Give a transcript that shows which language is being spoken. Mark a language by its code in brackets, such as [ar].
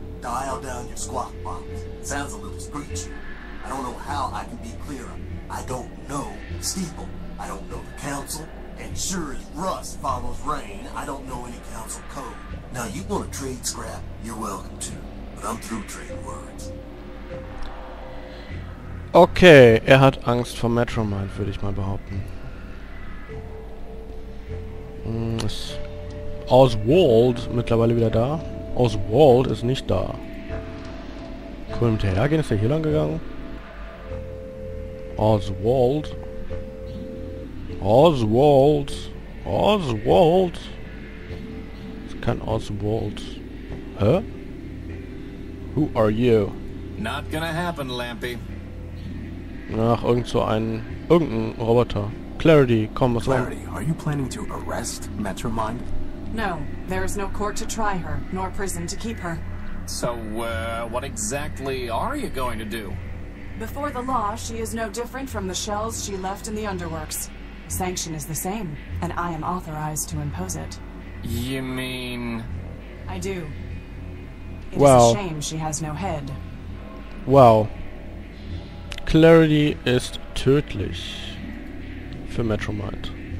[en] Dial down your squawk box. Sounds a little screechy. I don't know how I can be clearer. I don't know Steeple. I don't know the council. And sure as rust follows rain, I don't know any council code. Now, you want to trade scrap? You're welcome to. But I'm through trading words. [de] Okay, er hat Angst vor Metromind, würde ich mal behaupten. Ist Oswald mittlerweile wieder da? Oswald ist nicht da. Können wir hinterhergehen? Ist er hier lang gegangen? Oswald? Oswald? Oswald? Ist kein Oswald. Hä? [en] Who are you? Not gonna happen, Lampy. [de] Ach, irgend so ein... irgendein Roboter. Clarity, komm, was Clarity, war? [en] Are you planning to arrest Metromind? No, there is no court to try her, nor prison to keep her. So, what exactly are you going to do? Before the law, she is no different from the shells she left in the Underworks. Sanction is the same, and I am authorized to impose it. You mean... I do. It well. Is a shame she has no head. Well. [de] Clarity ist tödlich für Metromind.